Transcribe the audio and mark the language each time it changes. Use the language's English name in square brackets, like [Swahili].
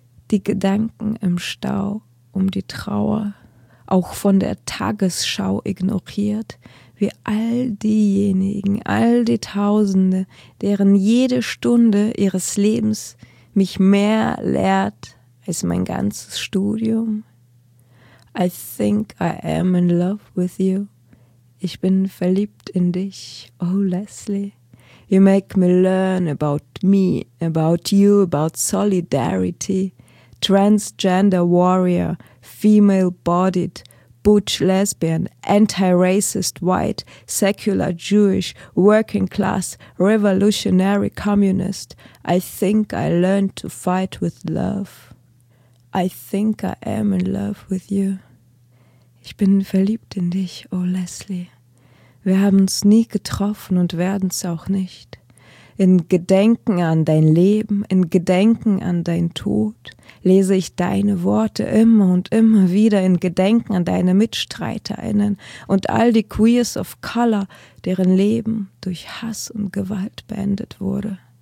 [German] die Gedanken im Stau um die Trauer, auch von der Tagesschau ignoriert, wie all diejenigen, all die Tausende, deren jede Stunde ihres Lebens mich mehr lehrt als mein ganzes Studium. [English] I think I am in love with you. [German] Ich bin verliebt in dich, oh Leslie. [English] You make me learn about me, about you, about solidarity. Transgender warrior, female bodied, butch lesbian, anti-racist white, secular Jewish, working class, revolutionary communist. I think I learned to fight with love. I think I am in love with you. [German] Ich bin verliebt in dich, oh Leslie. Wir haben uns nie getroffen und werden's auch nicht. In Gedenken an dein Leben, in Gedenken an dein Tod, lese ich deine Worte immer und immer wieder in Gedenken an deine MitstreiterInnen und all die Queers of Color, deren Leben durch Hass und Gewalt beendet wurde.